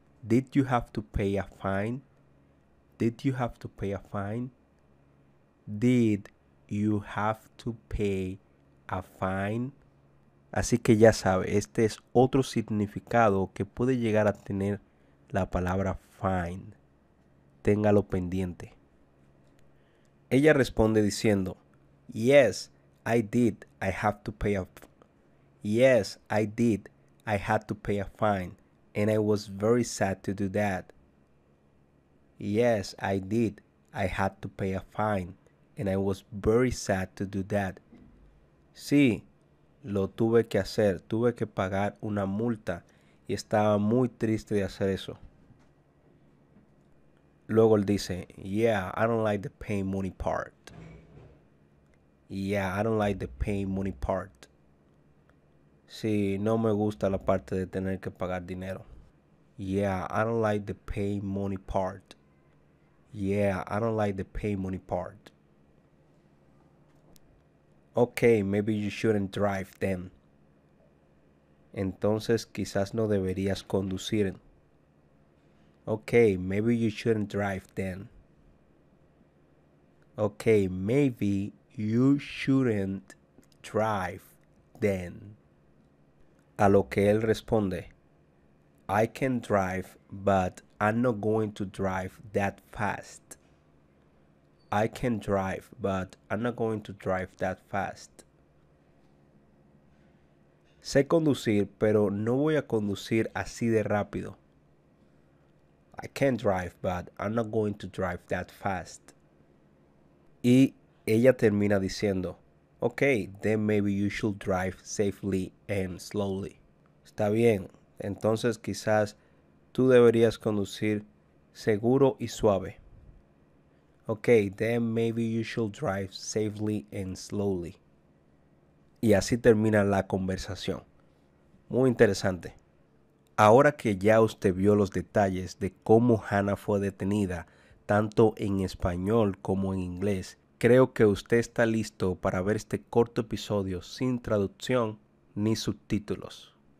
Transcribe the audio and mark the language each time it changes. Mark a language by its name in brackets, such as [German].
[English] Did you have to pay a fine? Did you have to pay a fine? Did you have to pay a fine. [Spanish] Así que ya sabe, este es otro significado que puede llegar a tener la palabra fine. Téngalo pendiente. Ella responde diciendo, [English] yes, I did. I have to pay a Yes, I did. I had to pay a fine, and I was very sad to do that. Yes, I did. I had to pay a fine, and I was very sad to do that. [Spanish] Sí, lo tuve que hacer. Tuve que pagar una multa, y estaba muy triste de hacer eso. Luego él dice, [English] yeah, I don't like the pay money part. Yeah, I don't like the pay money part. [Spanish] Sí, no me gusta la parte de tener que pagar dinero. [English] Yeah, I don't like the pay money part. Yeah, I don't like the pay money part. Okay, maybe you shouldn't drive then. [Spanish] Entonces, quizás no deberías conducir. [English] Okay, maybe you shouldn't drive then. Okay, maybe you shouldn't drive then. [Spanish] A lo que él responde, [English] I can drive, but I'm not going to drive that fast. I can drive, but I'm not going to drive that fast. [Spanish] Sé conducir, pero no voy a conducir así de rápido. [English] I can drive, but I'm not going to drive that fast. [Spanish] Y ella termina diciendo, [English] okay, then maybe you should drive safely and slowly. [Spanish] Está bien, entonces quizás tú deberías conducir seguro y suave. [English] Okay, then maybe you should drive safely and slowly. [Spanish] Y así termina la conversación. Muy interesante. Ahora que ya usted vio los detalles de cómo Hannah fue detenida, tanto en español como en inglés, creo que usted está listo para ver este corto episodio sin traducción ni subtítulos.